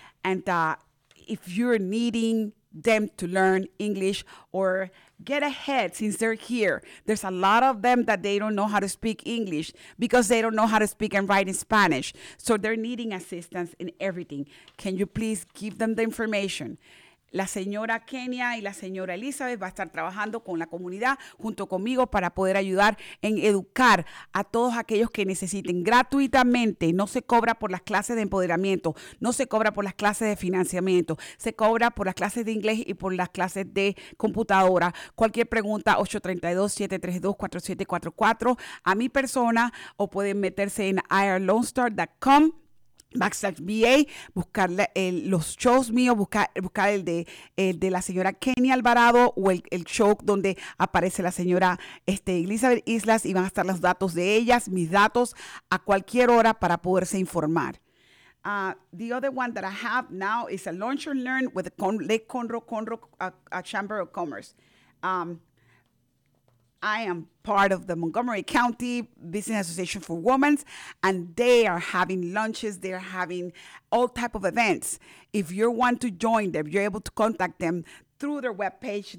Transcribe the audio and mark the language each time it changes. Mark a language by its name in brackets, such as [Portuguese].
[English] And if you're needing them to learn English or get ahead, since they're here, there's a lot of them that they don't know how to speak English because they don't know how to speak and write in Spanish. So they're needing assistance in everything. Can you please give them the information? [Spanish] La señora Kenia y la señora Elizabeth va a estar trabajando con la comunidad junto conmigo para poder ayudar en educar a todos aquellos que necesiten gratuitamente. No se cobra por las clases de empoderamiento, no se cobra por las clases de financiamiento, se cobra por las clases de inglés y por las clases de computadora. Cualquier pregunta, 832-732-4744 a mi persona, o pueden meterse en irlonestar.com. Backslash VA, buscar los shows míos, buscar el de la señora Kenia Alvarado o el show donde aparece la señora Elizabeth Islas, y van a estar los datos de ellas, mis datos, a cualquier hora para poderse informar. [English] The other one that I have now is a Launch and Learn with Lake Conroe Chamber of Commerce. I am part of the Montgomery County Business Association for Women, and they are having lunches. They're having all type of events. If you want to join them, you're able to contact them through their webpage.